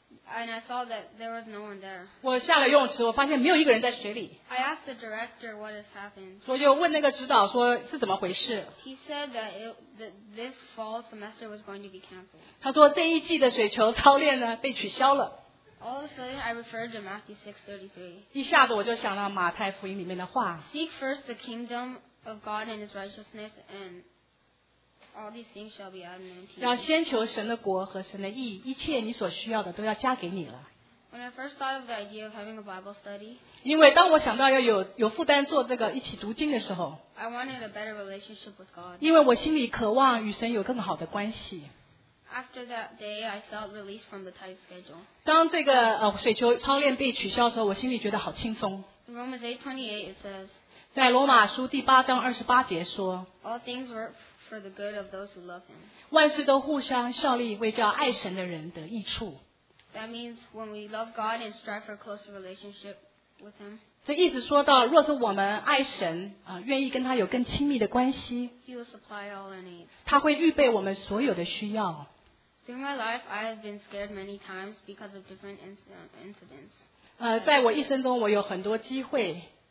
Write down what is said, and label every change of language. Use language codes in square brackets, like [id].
[en] And I saw that there was no one there. [zh] 我下了游泳池，我发现没有一个人在水里。 [en] I asked the director what has happened. [zh] 我就问那个指导说是怎么回事。 [en] He said that, that this fall semester was going to be canceled. [zh] 他说这一季的水球操练呢被取消了。 [en] All of a sudden, I referred to Matthew 6:33. [zh] 一下子我就想到马太福音里面的话。 [en] Seek first the kingdom of God and His righteousness and... All these things shall be added unto you. [zh] 要先求神的国和神的义，一切你所需要的都要加给你了。 [en] When I first thought of the idea of having a Bible study, [zh] 因为当我想到要有负担做这个一起读经的时候 [en] ，I wanted a better relationship with God. [zh] 因为我心里渴望与神有更好的关系。 [en] After that day, I felt released from the tight schedule. [zh] 当这个水球操练被取消的时候，我心里觉得好轻松。 [en] In Romans 8:28 it says, [zh] 在罗马书第八章二十八节说 [en] ，All things work. For the good of those who love him. [zh] 万事都互相效力，为叫爱神的人得益处。 [en] That means when we love God and strive for a closer relationship with him. [zh] 这意思说到，若是我们爱神，愿意跟他有更亲密的关系。 [en] He will supply all our needs. [zh] 他会预备我们所有的需要。 [en] Through my life, I have been scared many times because of different incidents. [zh] 在我一生中，我有很多机会。